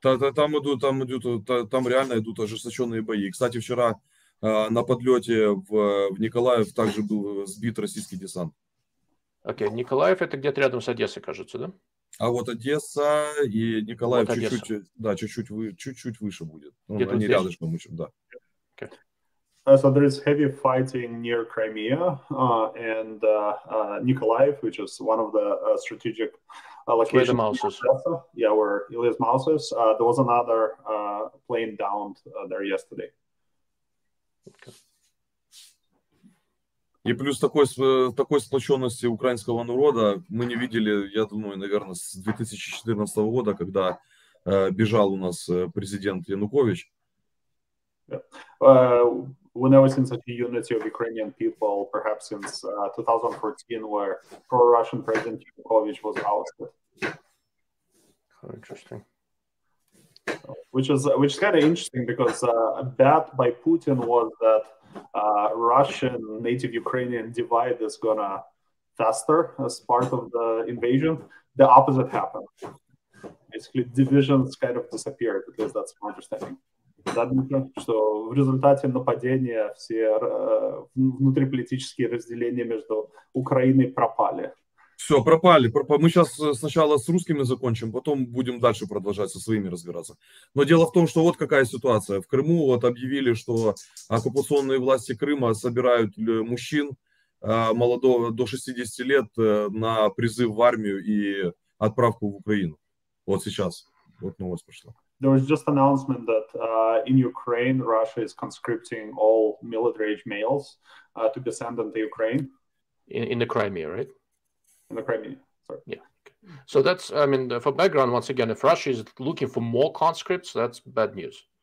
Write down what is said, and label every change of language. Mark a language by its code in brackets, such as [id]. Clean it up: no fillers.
[ru] Там реально идут ожесточенные бои. Кстати, вчера на подлете в Николаев также был сбит российский десант. Окей, Николаев это где-то рядом с Одессой, кажется, да? А вот Одесса и Николаев вот чуть-чуть выше будет. Где-то они рядышком еще, да. [en] Okay. So there is heavy fighting near Crimea and Николаев, which is one of the strategic locations. Where the mouse is. Yeah, where Ilya's mouse is. There was another plane downed there yesterday. [ru] Okay. И плюс такой сплоченности украинского народа мы не видели, я думаю, наверное, с 2014 года, когда бежал у нас президент Янукович. [en] Yeah. We never seen such a unity of Ukrainian people, perhaps since 2014, where pro-Russian president Yanukovych was ousted. Interesting. Which is kind of interesting because a bet by Putin was that Russian native Ukrainian divide is gonna fester as part of the invasion. The opposite happened. Basically, divisions kind of disappeared. At least that's my understanding. That means [ru] что в результате нападения все внутриполитические разделения между Украиной пропали. Все, пропали. Мы сейчас сначала с русскими закончим, потом будем дальше продолжать со своими разбираться. Но дело в том, что вот какая ситуация. В Крыму вот объявили, что оккупационные власти Крыма собирают мужчин молодого до 60 лет на призыв в армию и отправку в Украину. Вот сейчас. Вот новость пошла. [en] There was just announcement that in Ukraine Russia is conscripting all military age males to be sent into Ukraine. In the Crimea, right? In the Crimea, sorry. Yeah. So that's, I mean, for background, once again, if Russia is looking for more conscripts, that's bad news.